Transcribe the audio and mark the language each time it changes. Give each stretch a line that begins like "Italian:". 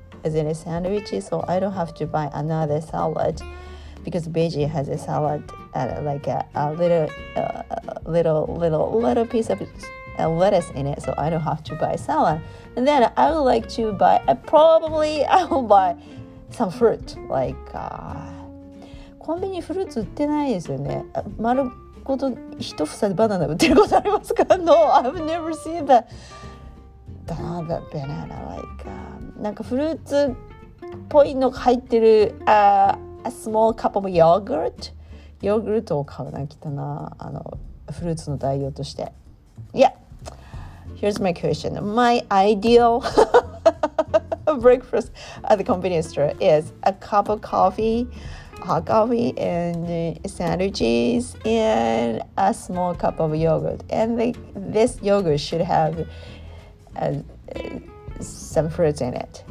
English: As in a sandwich, so I don't have to buy another salad because Beiji has a salad and like a little piece of lettuce in it, so I don't have to buy salad. And then I would like to buy, probably I will buy some fruit. Like,
Japanese: コンビニフルーツ売ってないですよね。丸ごと一房でバナナ売ってることありますか?
English: No, I've never seen that. Another banana, like,
Japanese: なんかフルーツっぽいのが入ってる、
English: a small cup of yogurt.
Japanese: ヨーグルトを買うな、きっとな、あの、フルーツの代用として。
English: Yeah, here's my question. My ideal breakfast at the convenience store is a cup of coffee, hot coffee, and sandwiches, and a small cup of yogurt. And this yogurt should haveSome fruits in it.